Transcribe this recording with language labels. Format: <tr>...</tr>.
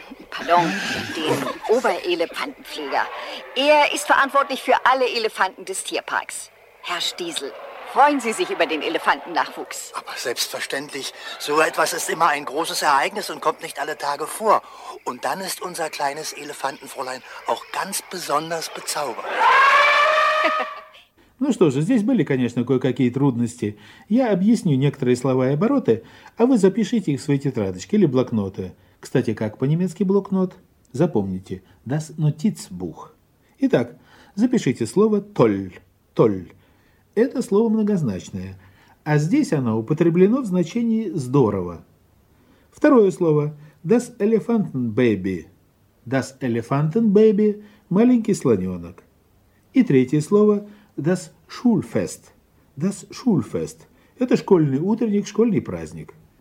<de>Pardon, den Oberelefantenpfleger. Er ist verantwortlich für alle Elefanten des Tierparks. Herr Stiesel, freuen Sie sich über den Elefantennachwuchs? Aber selbstverständlich. So etwas ist immer ein großes Ereignis und kommt nicht alle Tage vor. Und dann ist unser kleines Elefantenfräulein auch ganz besonders bezaubert.</de> <ru>Ну что же, здесь были, конечно, кое-какие трудности. Я объясню некоторые слова и обороты, а вы запишите их в свои тетрадочки или блокноты. Кстати, как по-немецки блокнот? Запомните, das Notizbuch. Итак, запишите слово «толь», «толь». Это слово многозначное, а здесь оно употреблено в значении «здорово». Второе слово «das Elefantenbaby», «das Elefantenbaby» – «маленький слоненок». И третье слово «das Schulfest», «das Schulfest» – это «школьный утренник», «школьный праздник».</ru>